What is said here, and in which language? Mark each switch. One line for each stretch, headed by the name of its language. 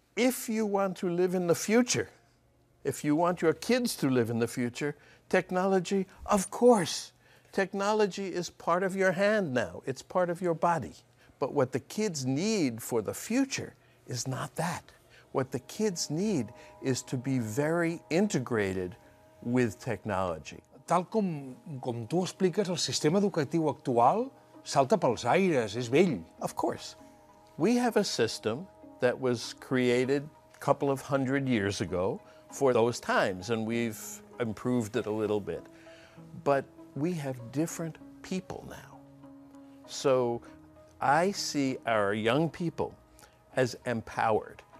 English: If you want to live in the future, if you want your kids to live in the future, technology, of course. Technology is part of your hand now. It's part of your body. But what the kids need for the future is not that. What the kids need is to be very integrated with technology.
Catalan: Tal com tu expliques, el sistema educatiu actual salta pels aires, és vell.
English: Of course. We have a system that was created a couple of hundred years ago for those times, and we've improved it a little bit. But we have different people now. So I see our young people as empowered.